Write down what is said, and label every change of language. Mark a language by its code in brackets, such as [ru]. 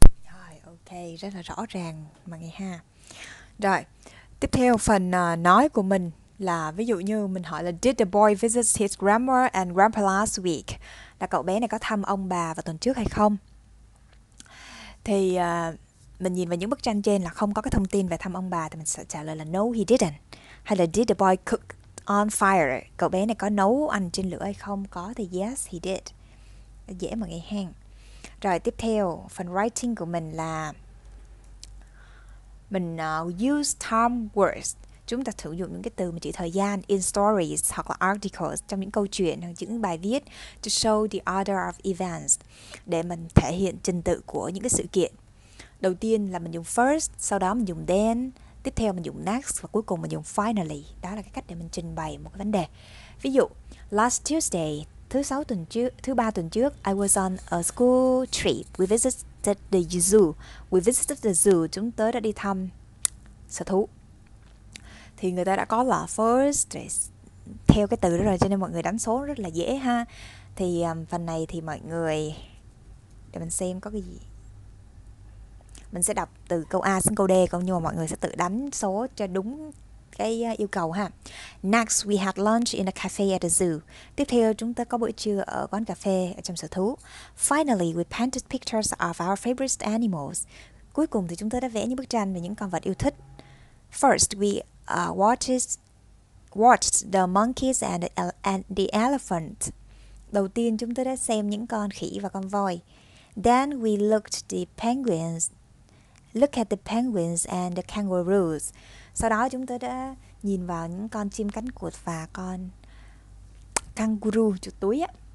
[vi] Rồi, ok, rất là rõ ràng mà nghe ha. Rồi, tiếp theo phần nói của mình là ví dụ như mình hỏi là [en] Did the boy visit his grandma and grandpa last week? [vi] Là cậu bé này có thăm ông bà vào tuần trước hay không? Thì mình nhìn vào những bức tranh trên là không có cái thông tin về thăm ông bà thì mình sẽ trả lời là [en] no, he didn't. Hay là did the boy cook on fire? [vi] Cậu bé này có nấu ăn trên lửa hay không? Có thì [en] yes, he did. [vi] Dễ mà nghe hang. Rồi tiếp theo, phần writing của mình là mình [en] use time words. [vi] Chúng ta sử dụng những cái từ mà chỉ thời gian [en] in stories [vi] hoặc là articles trong những câu chuyện hoặc những bài viết [en] to show the order of events, [vi] để mình thể hiện trình tự của những cái sự kiện. Đầu tiên là mình dùng first, sau đó mình dùng then, tiếp theo mình dùng next và cuối cùng mình dùng finally. Đó là cái cách để mình trình bày một cái vấn đề. [en] Ví dụ, last Tuesday, [vi] thứ ba tuần trước, [en] I was on a school trip. We visited the zoo. We visited the zoo. [vi] Chúng tớ đã đi thăm sở thú. Thì người ta đã có là first theo cái từ đó rồi, cho nên mọi người đánh số rất là dễ ha. Thì phần này thì mọi người, để mình xem có cái gì. Mình sẽ đọc từ câu A sang câu D, còn nhưng mà mọi người sẽ tự đánh số cho đúng cái yêu cầu ha. [en] Next, we had lunch in a cafe at the zoo. [vi] Tiếp theo, chúng ta có bữa trưa ở quán cà phê ở trong sở thú. [en] Finally, we painted pictures of our favorite animals. [vi] Cuối cùng thì chúng ta đã vẽ những bức tranh về những con vật yêu thích. [en] First, we watched the monkeys and the elephant. [vi] Đầu tiên, chúng ta đã xem những con khỉ và con voi. [en] Then, we looked the penguins. Look at the penguins and the kangaroos. [vi] Sau đó chúng tôi đã nhìn vào những con chim cánh cụt và con kangaroo chuột túi á.